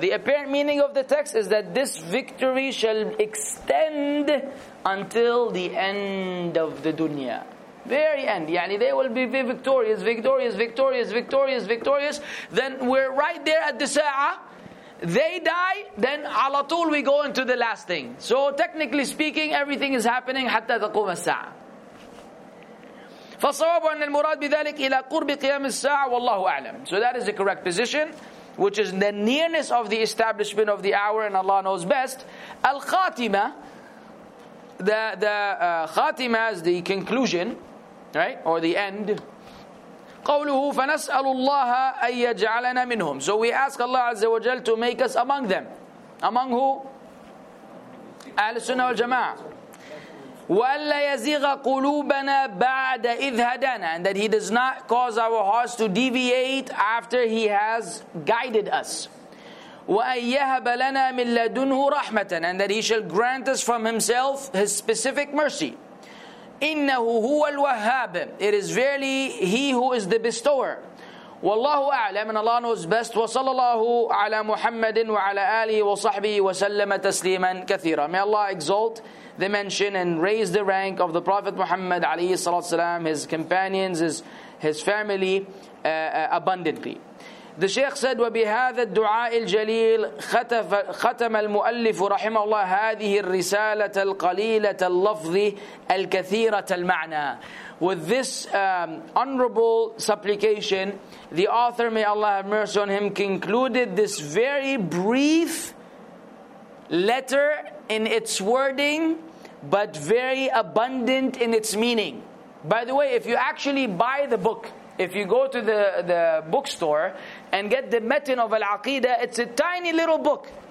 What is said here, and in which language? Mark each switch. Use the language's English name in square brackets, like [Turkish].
[English] The apparent meaning of the text is that this victory shall extend until the end of the dunya. Very end. يعني they will be victorious, victorious, victorious, victorious, victorious. Then we're right there at the ساعة. They die, then على طول we go into the last thing. So technically speaking, everything is happening [Arabic] حتى تقوم الساعة. فصواب أن المراد بذلك إلى قرب قيام الساعة والله أعلم. [English] So that is the correct position, which is the nearness of the establishment of the hour, and Allah knows best. الخاتمة, خاتمة is the conclusion, right, or the end. [Arabic] قوله فنسأل الله أن يجعلنا منهم. [English] So we ask Allah عز وجل to make us among them. Among who? [Arabic] أهل السنة والجماعة. وألا يزيغ قلوبنا بعد إذ هدانا, [English] and that He does not cause our hearts to deviate after He has guided us. [Arabic] وأن يهب لنا من لدنه رحمة, [English] and that He shall grant us from Himself His specific mercy. [Arabic] إنه هو الوهاب, [English] it is verily He who is the bestower. [Arabic] والله أعلم, [English] and Allah knows best. [Arabic] وصلى الله على محمد وعلى آله وصحبه وسلم تسليما كثيرا. [English] May Allah exalt the mention and raise the rank of the Prophet Muhammad alayhi salatu wasalam, his companions, his family abundantly. The Shaykh said, [Arabic] وَبِهَذَا الدُّعَاءِ الْجَلِيلِ خَتَمَ الْمُؤَلِّفُ رَحِمَ اللَّهُ هَذِهِ الرِّسَالَةَ الْقَلِيلَةَ اللَّفْظِ الْكَثِيرَةَ الْمَعْنَى. [English] With this honorable supplication, the author, may Allah have mercy on him, concluded this very brief letter in its wording, but very abundant in its meaning. By the way, if you actually buy the book, if you go to the bookstore and get the Metin of Al-Aqidah, it's a tiny little book.